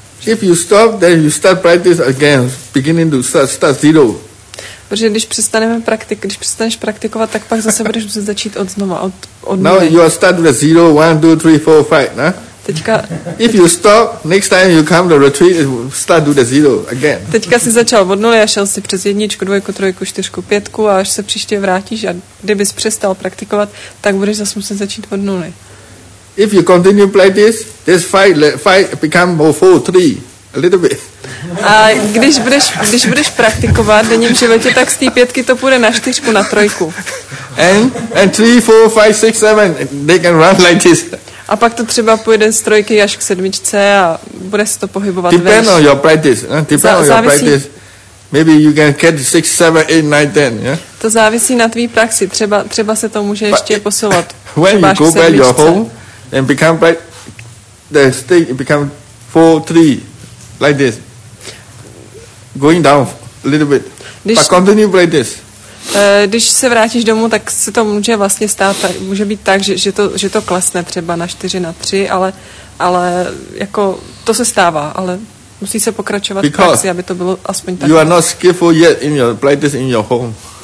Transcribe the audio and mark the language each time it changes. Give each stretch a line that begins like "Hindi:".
English: If you stop, then you start practice again, beginning to start zero.
Czech: Protože když přestaneš praktikovat, tak pak zase budeš muset začít od znova, od nuly.
English: Now you are start with zero, one, two, three, four, five, ne? If you stop, next time you come to retreat, start do the zero again.
Czech: Teďka si začal od nuly a šel si přes jedničku, dvojku, trojku, čtyřku, pětku a až se příště vrátíš a kdybys přestal praktikovat, tak budeš zase muset začít od nuly.
English: If you continue like this five become more four, three, a little bit.
Czech: A když budeš praktikovat denním životě, tak z té pětky to půjde na čtyřku, na trojku.
English: And three, four, five, six, seven, they can run like this.
Czech: A pak to třeba půjde z trojky až k sedmičce a bude se to pohybovat
English: veš. Depend on your practice. Maybe you can get 6, 7, 8, 9, 10. Yeah?
Czech: To závisí na tvý praxi. Třeba se to může ještě posilovat.
English: When you go back your home and become back, the state become 4, 3, like this. Going down a little bit. But continue like this.
Czech: Když se vrátíš domů, tak se to může vlastně stát, může být tak, že to klesne třeba na 4, na 3, ale jako to se stává, ale musí se pokračovat
English: because
Czech: v praxi, aby to bylo aspoň tak.
English: You are not skillful yet in your practice in your home.